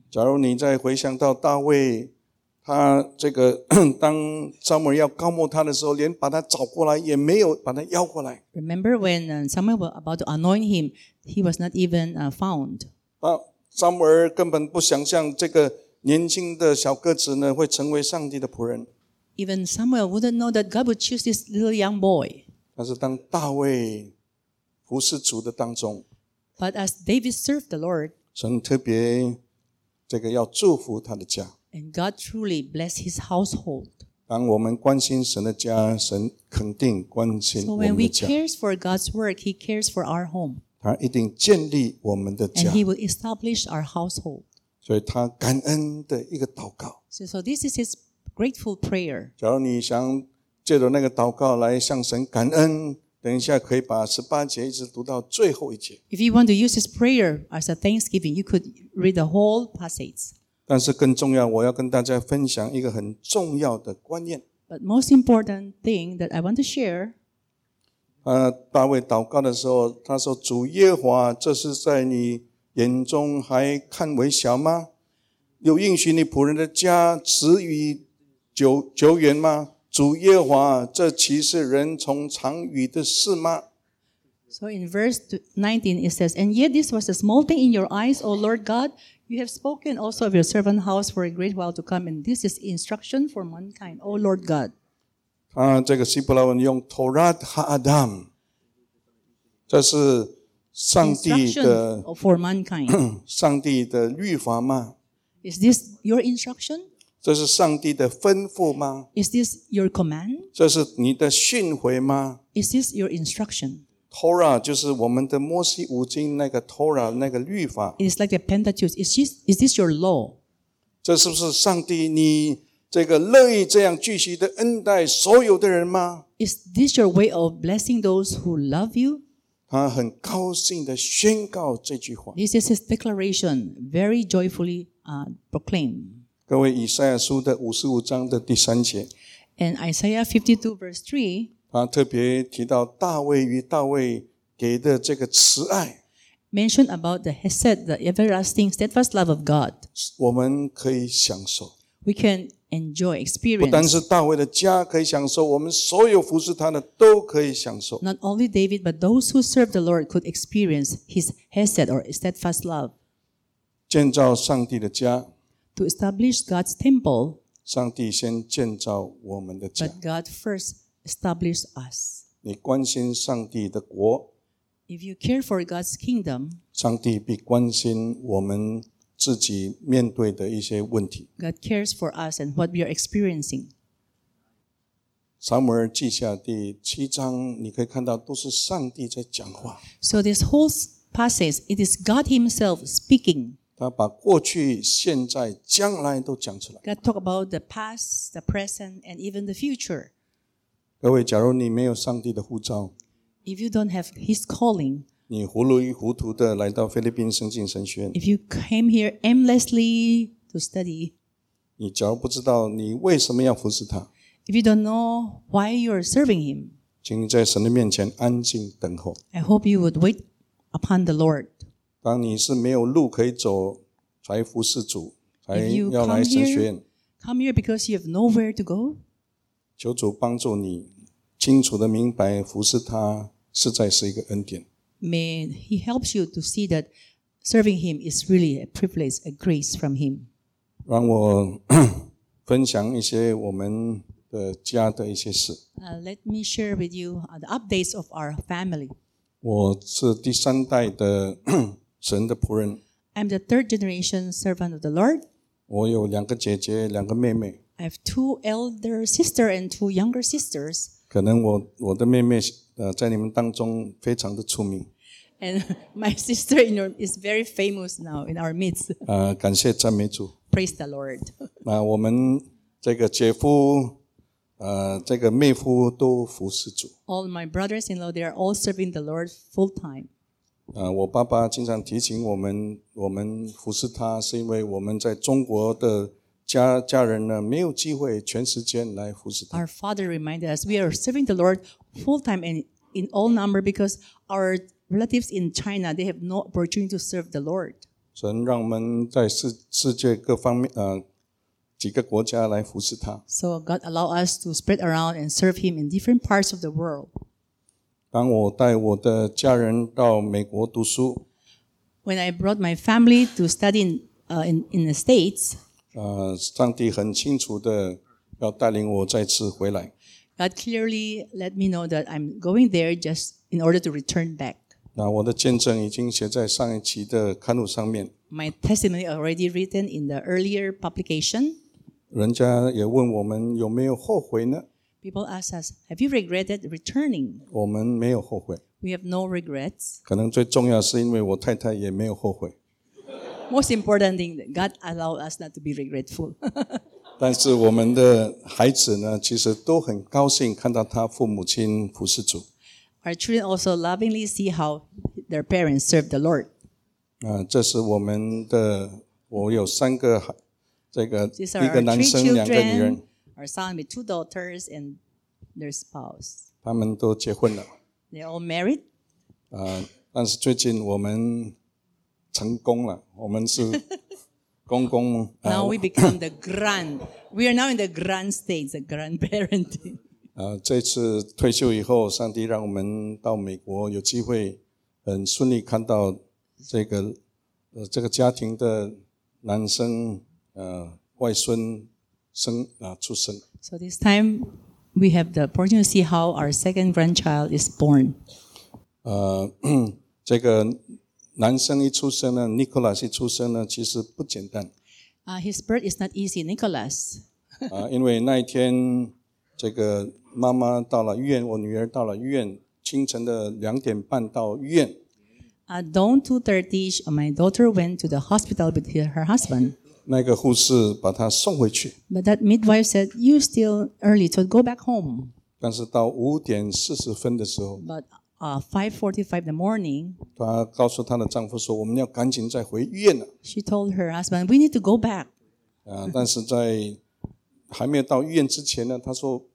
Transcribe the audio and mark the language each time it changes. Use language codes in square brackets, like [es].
[zh] 假如你再回想到大卫。他这个当撒母耳要高牧他的时候，连把他找过来也没有把他邀过来。 [en] Remember when Samuel was about to anoint him, he was not even found. [zh] 撒母耳根本不想象这个年轻的小个子呢会成为上帝的仆人。 [en] Even Samuel wouldn't know that God would choose this little young boy. [zh] 但是当大卫服侍主的当中 [en] ，But as David served the Lord, [zh] 神特别这个要祝福他的家。 [en] And God truly bless his household. [zh] 当我们关心神的家，神肯定关心我们的家。 [en] So when we care for God's work, he cares for our home. [zh] 他一定建立我们的家。 [en] And he will establish our household. [zh] 所以他感恩的一个祷告。 [en] So this is his grateful prayer. [zh] 假如你想借着那个祷告来向神感恩，等一下可以把十八节一直读到最后一节。 [en] If you want to use this prayer as a thanksgiving, you could read the whole passage. [zh] 但是更重要，我要跟大家分享一个很重要的观念。 [en] But most important thing that I want to share. [zh] 大卫祷告的时候，他说：“主耶和华，这是在你眼中还看为小吗？有应许你仆人的家子与久远吗？主耶和华，这岂是人从常与的事吗？” [en] So in verse 19 it says, "And yet this was a small thing in your eyes, O Lord God." You have spoken also of your servant's house for a great while to come, and this is instruction for mankind, O Lord God. [zh] 这个希伯来文用 [he] Torah HaAdam, [zh] 这是上帝的 instruction for mankind. 上帝的律法吗 [en] Is this your instruction? [zh] 这是上帝的吩咐吗 [en] Is this your command? [zh] 这是你的训诲吗 [en] Is this your instruction? [zh] Torah 就是我们的摩西五经那个 Torah 那个律法。 [en] It's like the Pentateuch. Is this your law? [zh] 这是不是上帝你这个乐意这样继续的恩待所有的人吗 [en] ？Is this your way of blessing those who love you? [zh] 他很高兴的宣告这句话。 [en] This is his declaration, very joyfully proclaim. [zh] 各位，以赛亚书的五十五章的第三节。 [en] And Isaiah 52 verse 3. [zh] 他特别提到大卫与大卫给的这个慈爱。 [en] Mention about the hesed, the everlasting, steadfast love of God. [zh] 我们可以享受。 [en] We can enjoy, experience. [zh] 不单是大卫的家可以享受，我们所有服侍他的都可以享受。 [en] Not only David, but those who serve the Lord could experience his hesed or steadfast love. [zh] 建造上帝的家。 [en] To establish God's temple. [zh] 上帝先建造我们的家。 [en] But God first. Establish us. [zh] 你关心上帝的国。 [en] If you care for God's kingdom, [zh] 上帝比关心我们自己面对的一些问题。 [en] God cares for us and what we are experiencing. [zh] 撒母耳记下第七章，你可以看到都是上帝在讲话。 [en] So this whole passage, it is God Himself speaking. [zh] 他把过去、现在、将来都讲出来。 [en] God talk about the past, the present, and even the future. [zh] 各位，假如你没有上帝的呼召 [en] ，If you don't have His calling， [zh] 你糊里糊涂的来到菲律宾圣经神学院 [en] ，If you came here aimlessly to study， [zh] 你假如不知道你为什么要服侍他 [en] ，If you don't know why you are serving Him， [zh] 请你在神的面前安静等候。 [en] I hope you would wait upon the Lord。 [zh] 当你是没有路可以走，才服侍主，才要来神学院。 [en] Come here because you have nowhere to go。 [zh] 求主帮助你清楚地明白服侍他实在是一个恩典。 [en] May he helps you to see that serving him is really a privilege, a grace from him. [zh] 让我分享一些我们的家的一些事。 [en] Let me share with you the updates of our family. [zh] 我是第三代的神的仆人。 [en] I'm the third generation servant of the Lord. [zh] 我有两个姐姐，两个妹妹。 [en] I have two elder sisters and two younger sisters. [zh] 可能我的妹妹在你们当中非常的出名。 [en] And my sister is very famous now in our midst. [zh] 感谢赞美主。 [en] Praise the Lord. [zh] 那我们这个姐夫这个妹夫都服侍主。 [en] All my brothers-in-law, they are all serving the Lord full-time. [zh] 我爸爸经常提醒我们服侍他是因为我们在中国的家人呢，没有机会全时间来服侍他。 [en] Our father reminded us we are serving the Lord full time and in all number because our relatives in China they have no opportunity to serve the Lord. [zh] 神让我们在世界各方面几个国家来服侍他。 [en] So God allow us to spread around and serve Him in different parts of the world. [zh] 当我带我的家人到美国读书 [en] ，When I brought my family to study in the States. [zh] 上帝很清楚的要带领我再次回来。 [en] God clearly let me know that I'm going there just in order to return back. [zh] 那我的见证已经写在上一期的刊物上面。 [en] My testimony already written in the earlier publication. [zh] 人家也问我们有没有后悔呢 [en] ？People ask us, have you regretted returning? [zh] 我们没有后悔。 [en] We have no regrets. [zh] 可能最重要是因为我太太也没有后悔。 [en] Most important thing, God allowed us not to be regretful. [zh] 但是我们的孩子呢，其实都很高兴看到他父母亲服侍主。 [en] Our children also lovingly see how their parents serve the Lord. [zh] 这是我们的，我有三个孩，这个一个男生，两个女人。 [en] Our son with two daughters and their spouse. [zh] 他们都结婚了。 [en] They all married. [zh] 但是最近我们。成功了，我们是公公。 [en] Now we become the grand. We are now in the grand stage, the grandparent. [zh] 这次退休以后，上帝让我们到美国，有机会很顺利看到这个家庭的男生外孙出生。 [en] So this time we have the opportunity to see how our second grandchild is born. [zh] 这个。男生一出生呢 ，Nicholas 一出生呢，其实不简单。 [en] His birth is not easy, Nicholas. [zh] 因为那一天，这个妈妈到了医院，我女儿到了医院清晨的两点半到医院。 [en] At dawn 2:30, my daughter went to the hospital with her husband. [zh] 那个护士把她送回去。 [en] But that midwife said, "You still early, so go back home." [zh] 但是到五点四十分的时候。 [en] But 5:45 the morning. [zh] 她告诉她的丈夫说：“我们要赶紧再回医院了。” [en] She told her husband, "We need to go back." [zh] 但是在还没有到医院之前呢，她说。